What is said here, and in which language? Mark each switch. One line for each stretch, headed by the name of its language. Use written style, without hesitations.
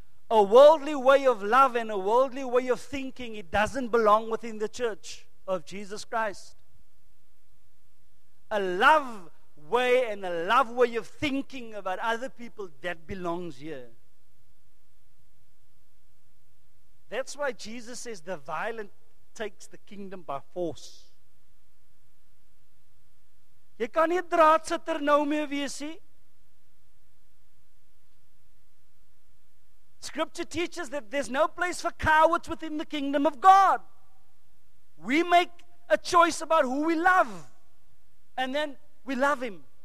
English: A worldly way of love and a worldly way of thinking, it doesn't belong within the church of Jesus Christ. A love way and a love way of thinking about other people that belongs here. That's why Jesus says the violent takes the kingdom by force.
Afrikaans: Jy kan nie draadsitter nou meer wees nie.
English: Scripture teaches that there's no place for cowards within the kingdom of God. We make a choice about who we love, and then we love him.